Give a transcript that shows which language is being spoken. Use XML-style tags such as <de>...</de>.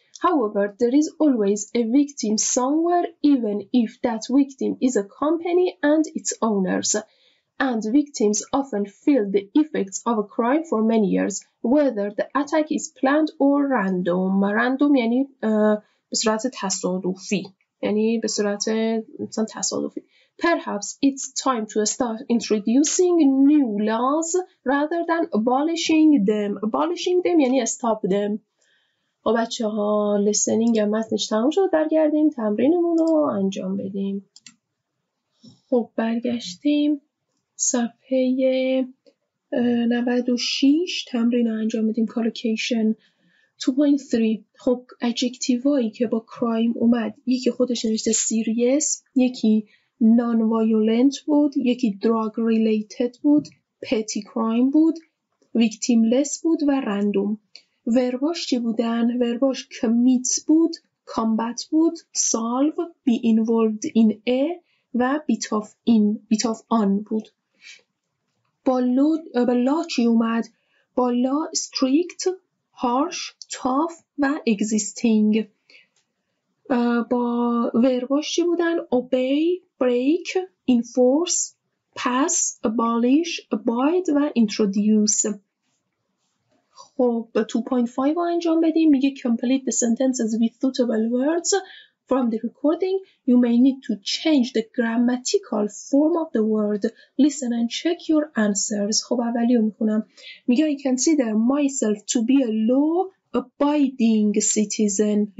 <en>However, there is always a victim somewhere, even if that victim is a company and its owners. And victims often feel the effects of a crime for many years, whether the attack is planned or random.</en> <fa>Random یعنی به صورت تصادفی. یعنی به صورت مثلا تصادفی.</fa> <en>Perhaps it's time to start introducing new laws rather than abolishing them. Abolishing them</en> <fa>یعنی</fa> <en>stop them.</en> <fa>خب بچه ها لیسنینگ هم متنش تموم شد، برگردیم تمرینمون رو انجام بدیم. خب برگشتیم صفحه 96 تمرین رو انجام بدیم. کالوکیشن 2.3. خب adjective‌هایی که با crime اومد، یکی خودش نوشته serious، یکی non-violent بود، یکی drug-related بود، petty crime بود، victimless بود و random. ورباش چی بودن؟ ورباش commit بود، combat بود، solve، be involved in a و bit of in، bit of on بود. با لا چی اومد؟ با لا strict، harsh، tough و existing. با ورباش چی بودن؟ obey، break، enforce، pass، abolish، abide و introduce. خب 2.5 رو انجام بدیم. میگه</fa> <en>complete the sentences with suitable words from the recording. You may need to change the grammatical form of the word. Listen and check your answers.</en> <fa>خب اولی رو میخونم. میگه</fa> <en>I consider myself to be a law-abiding citizen.</en>